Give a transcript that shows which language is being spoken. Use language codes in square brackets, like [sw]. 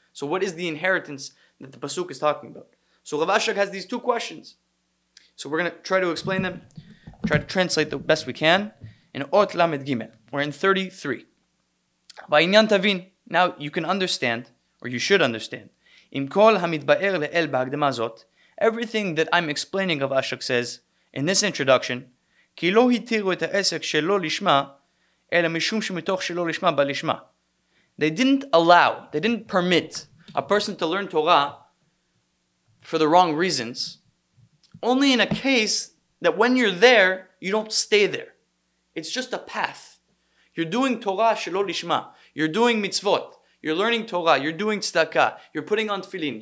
[en] So what is the inheritance that the pasuk is talking about? So Rav Ashok has these two questions. So we're going to try to explain them, try to translate the best we can. In Ot Lamed Gimel, we're in 33. Vayinyan tavin. Now you can understand, or you should understand. Im kol hamitba'er le'el b'hagdama zot. Everything that I'm explaining, Rav Ashok says, in this introduction, [he] כי לא התירו את העסק שלא לשמה, אלא משום שמתוך שלא לשמה בלשמה. [en] They didn't allow, they didn't permit a person to learn Torah for the wrong reasons, only in a case that when you're there, you don't stay there. It's just a path. You're doing Torah שלא לשמה. You're doing mitzvot. You're learning Torah. You're doing tzedakah. You're putting on tefillin.